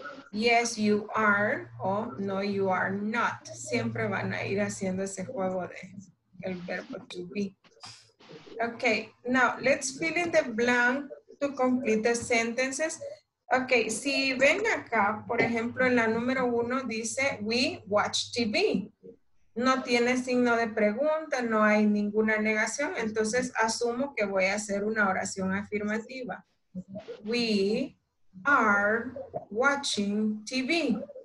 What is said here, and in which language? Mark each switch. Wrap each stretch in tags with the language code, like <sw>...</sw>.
<en>Yes, you are, o no, you are not.</en> <es>Siempre van a ir haciendo ese juego de el verbo to be.</es> <en>Ok, now let's fill in the blank to complete the sentences.</en> <es>Ok, si ven acá, por ejemplo, en la número uno dice, we watch TV. No tiene signo de pregunta, no hay ninguna negación. Entonces, asumo que voy a hacer una oración afirmativa.</es> <en>We are watching TV.</en>